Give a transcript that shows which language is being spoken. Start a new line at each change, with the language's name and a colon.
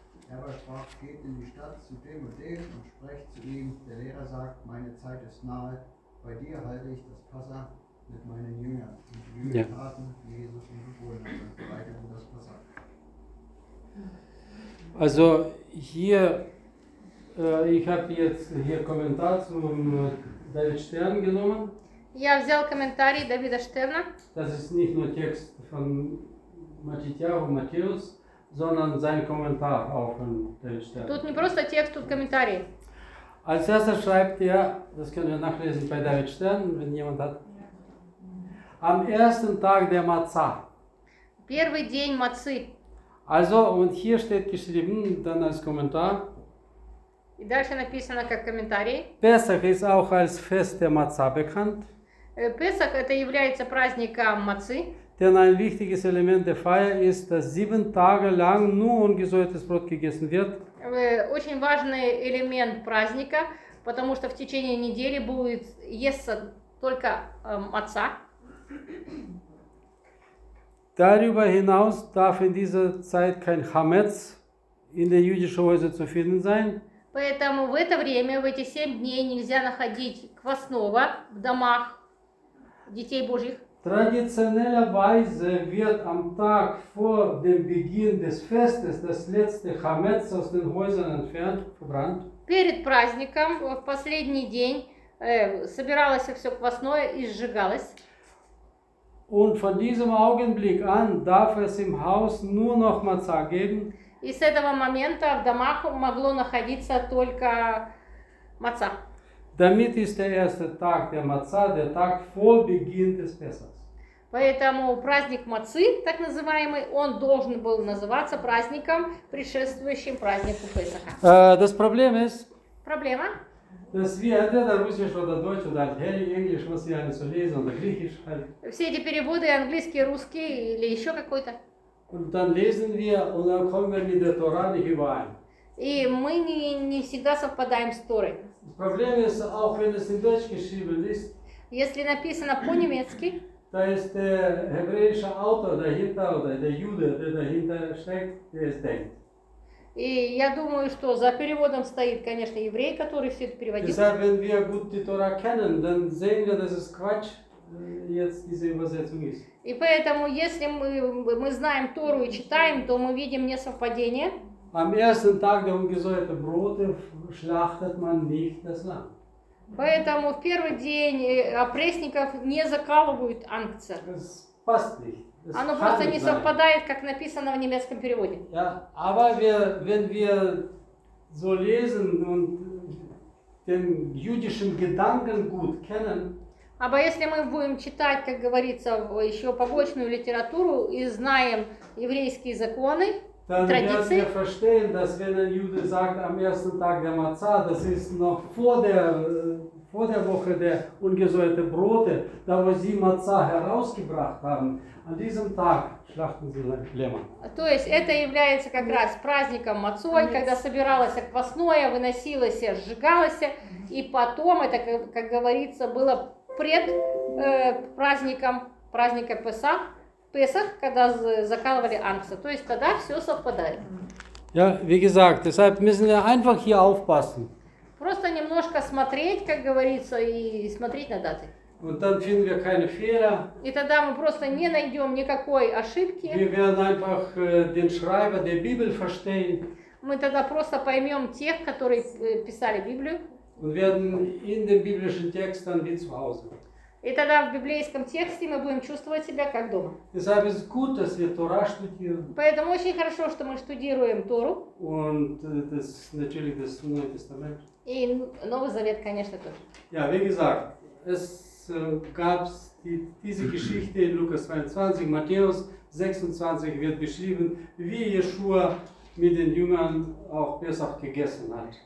German: Er aber sprach, geht in die Stadt zu dem und dem und sprecht zu ihm, der Lehrer sagt, meine Zeit ist nahe, bei dir halte ich das Passa mit meinen Jüngern. Und die Jünger traten, wie Jesus ihn befohlen hat, und bereiteten das Passa. Also hier, ich habe jetzt hier Kommentar zum David Stern genommen.
Russian: Я взял комментарий Давида Штерна.
German: Das ist nicht nur Text von Matthäus, sondern sein Kommentar auch von David Stern.
Russian: Тут не просто текст, тут комментарий.
German: Als erster schreibt er, das können wir nachlesen bei David Stern, wenn jemand hat. Am ersten Tag der Matza.
Russian: Первый день Матцы.
German: Also, und hier steht geschrieben, dann als Kommentar.
Russian: И дальше написано как комментарий.
German: Песах ist auch als Fest der Matza bekannt.
Russian: Песах это является праздником Мацы.
German: Denn ein wichtiges Element der Feier ist, dass sieben Tage lang nur ungesäuertes Brot gegessen wird.
Russian: Очень важный элемент праздника, потому что в течение недели будет есться только Маца.
German: Darüber hinaus darf in dieser Zeit kein Hametz in den jüdischen Häusern zu finden sein.
Russian: Поэтому в это время, в эти семь дней нельзя находить квасного в домах детей Божьих.
German: Traditionellerweise wird am Tag vor dem Beginn des Festes das letzte Hametz aus den Häusern entfernt, verbrannt.
Russian: Перед праздником, в последний день, собиралось все квасное и сжигалось.
German: Und von diesem Augenblick an darf es im Haus nur noch Matza geben.
Russian: И с этого момента в домах могло находиться только Матца.
German: Damit ist der erste Tag der Matza, der Tag vor Beginn des Pessachs.
Russian: Поэтому праздник Матцы, так называемый, он должен был называться праздником, предшествующим празднику Песаха.
German: Das Problem ist,
Russian: Проблема?
German: Dass wir entweder Russisch oder Deutsch oder Italienisch, Englisch, was wir alles so lesen, oder Griechisch.
Russian: Все эти переводы, английский, русский или еще какой-то.
German: Und dann lesen wir und dann kommen wir mit der Torah nicht überein.
Russian: И мы не всегда совпадаем с Торой.
German: Проблема ist, auch wenn es in Deutsch geschrieben ist.
Russian: Если написано по-немецки.
German: Da ist der hebräische Autor dahinter, oder der Jude, der dahinter steckt, der ist denkt.
Russian: И я думаю, что за переводом стоит, конечно, еврей, который все это переводит.
German: Deshalb, wenn wir gut die Torah kennen, dann sehen wir, dass es Quatsch jetzt diese Übersetzung ist.
Russian: И поэтому, если мы знаем Тору и читаем, то мы видим несовпадение.
German: Am ersten Tag der ungesäuerten Brote schlachtet man nicht das Lamm.
Russian: Поэтому в первый день опресников не закалывают ангца.
German: Es passt nicht. Es
Russian: Оно просто не совпадает, как написано в немецком переводе.
German: Ja, aber wir, wenn wir so lesen und den jüdischen Gedanken gut kennen,
Russian: aber если мы будем читать, как говорится, еще побочную литературу и знаем еврейские законы,
German: dann
Russian: традиции,
German: werden wir verstehen, dass wenn ein Jude sagt, am ersten Tag der Matza, das ist noch vor der, vor der Woche der ungesäuerte Brote, da wo sie Matza herausgebracht haben, an diesem Tag schlachten sie Lämmer.
Russian: То есть это является как раз праздником Мацой, когда собиралось квасное, выносилось, сжигалось, и потом это, как говорится, было пред праздником праздника Песах. Песах, когда закалывали ангса. То есть тогда все совпадает.
German: Ja, wie gesagt, deshalb müssen wir einfach hier aufpassen.
Russian: Просто немножко смотреть, как говорится, и смотреть на даты.
German: Und dann finden wir keine Fehler.
Russian: И тогда мы просто не найдем никакой ошибки.
German: Wir werden einfach den Schreiber der Bibel verstehen.
Russian: Мы тогда просто поймем тех, которые писали Библию.
German: Und werden in den biblischen Texten wie zu Hause.
Russian: И тогда в библейском тексте мы будем чувствовать себя как дома.
German: Deshalb ist gut, dass wir Torah studieren.
Russian: Поэтому очень хорошо, что мы студируем Тору.
German: Und das ist natürlich das Neue Testament.
Russian: И Новый Завет, конечно, тоже.
German: Ja, wie gesagt, es gab diese Geschichte in Lukas 22, Matthäus 26 wird beschrieben, wie Yeshua mit den Jüngern auch Pesach gegessen hat.